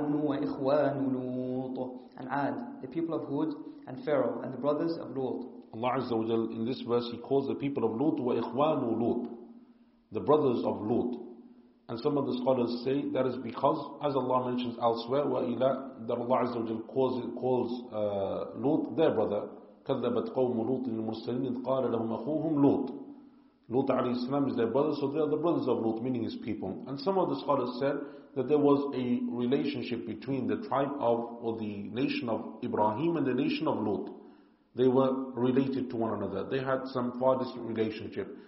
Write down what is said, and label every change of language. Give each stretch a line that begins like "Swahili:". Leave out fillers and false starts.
English: And Ad, the people of Hud, and Pharaoh, and the brothers of Lut. Allah Azza wa Jal, in this verse, He calls the people of Lut
Arabic: wa ikhwanu Lut,
English: the brothers of Lut. And some of the scholars say that is because, as Allah mentions elsewhere, wa ila, that Allah Azza wa Jal calls Lut their brother.
Arabic: كذبت قوم لوط المرسلين قال لهم أخوهم لوط.
English: Lut alayhi salam is their brother, so they are the brothers of Lut, meaning his people. And some of the scholars said that there was a relationship between the tribe of, or the nation of Ibrahim and the nation of Lut. They were related to one another. They had some far distant relationship.